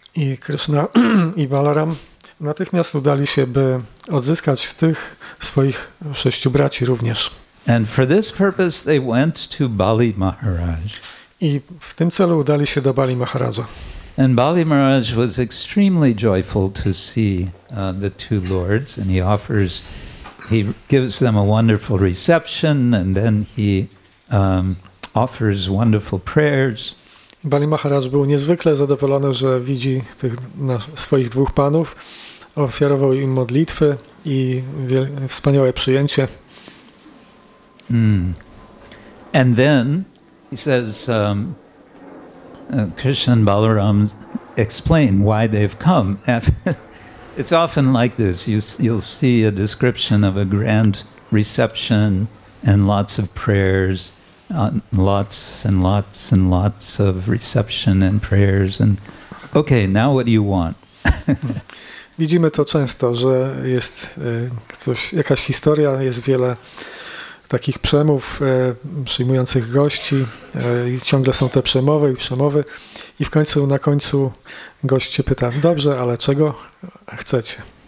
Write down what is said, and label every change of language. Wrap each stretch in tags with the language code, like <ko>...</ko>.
<pl>I Krishna i Balaram natychmiast udali się, by odzyskać tych swoich sześciu braci również.</pl> <en>And for this purpose they went to Bali Maharaj.</en> <pl>I w tym celu udali się do Bali Maharaja.</pl> <en>And Bali Maharaj was extremely joyful to see the two lords, and he gives them a wonderful reception, and then he offers wonderful prayers.</en> <pl>Bali Maharaj był niezwykle zadowolony, że widzi tych swoich dwóch panów, ofiarował im modlitwy i wspaniałe przyjęcie.</pl> <en>And then he says, Krishna and Balaram explain why they've come. It's often like this. You'll see a description of a grand reception and lots of prayers, lots and lots and lots of reception and prayers. And okay, now what do you want?</en> <pl>Widzimy to często, że jest jakaś historia, jest wiele takich przemów przyjmujących gości i ciągle są te przemowy i na końcu gość się pyta, dobrze, ale czego chcecie?</pl>